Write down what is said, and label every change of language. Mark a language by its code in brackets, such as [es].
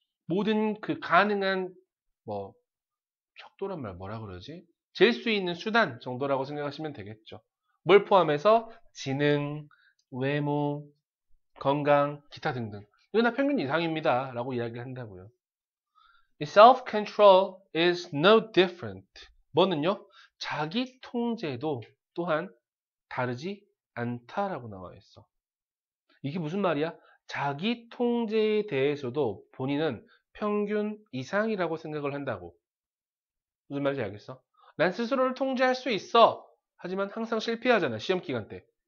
[ko] 모든 그 가능한, 뭐, 척도란 말 뭐라 그러지? 잴수 있는 수단 정도라고 생각하시면 되겠죠. 뭘 포함해서? 지능, 외모, 건강, 기타 등등. 이건 다 평균 이상입니다. 라고 이야기를 한다고요. [en] Self-control is no different. [ko] 뭐는요? 자기 통제도 또한 다르지 않다라고 나와 있어. 이게 무슨 말이야? 자기 통제에 대해서도 본인은 평균 이상이라고 생각을 한다고. 무슨 말인지 알겠어? 난 스스로를 통제할 수 있어. 하지만 항상 실패하잖아. 시험 기간 때.